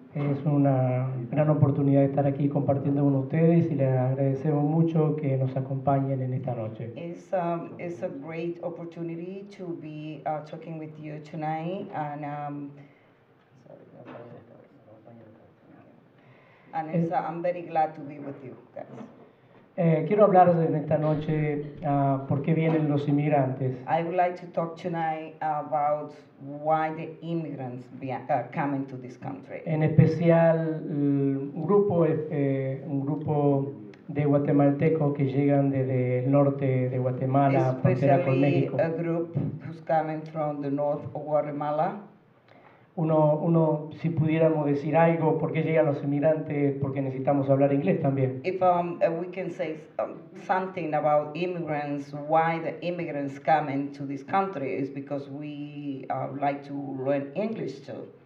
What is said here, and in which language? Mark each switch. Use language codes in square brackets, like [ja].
[es] Es una gran oportunidad estar aquí compartiendo con ustedes y les agradecemos mucho que nos acompañen en esta noche. [en] It's a great opportunity to be talking with you tonight and I'm very glad to be with you guys. [es] Quiero hablar en esta noche por qué vienen los inmigrantes. [en] I would like to talk tonight about why the immigrants come into this country. [es] En especial un grupo de guatemaltecos que llegan desde el norte de Guatemala, frontera con México. [en] Especially a group who's coming from the north of Guatemala. [es] Uno, si pudiéramos decir algo, ¿por qué llegan los inmigrantes? Porque necesitamos hablar inglés también. [en] If we can say something about immigrants, why the immigrants come into this country is because we like to learn English too.